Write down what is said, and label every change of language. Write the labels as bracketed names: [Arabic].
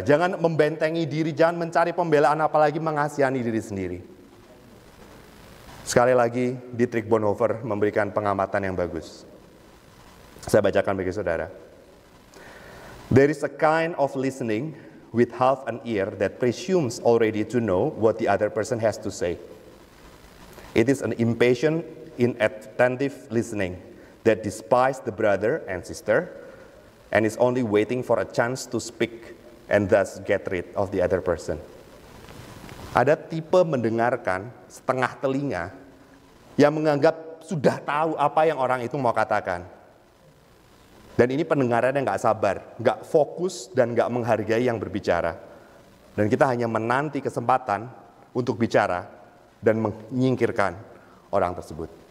[Indonesian] Jangan membentengi diri, jangan mencari pembelaan, apalagi mengasihani diri sendiri. Sekali lagi, Dietrich Bonhoeffer memberikan pengamatan yang bagus. Saya bacakan bagi saudara. [English] There is a kind of listening with half an ear that presumes already to know what the other person has to say. It is an impatient, inattentive listening that despise the brother and sister and is only waiting for a chance to speak and thus get rid of the other person. [Indonesian] Ada tipe mendengarkan setengah telinga yang menganggap sudah tahu apa yang orang itu mau katakan. Dan ini pendengaran yang gak sabar, gak fokus dan gak menghargai yang berbicara. Dan kita hanya menanti kesempatan untuk bicara dan menyingkirkan orang tersebut.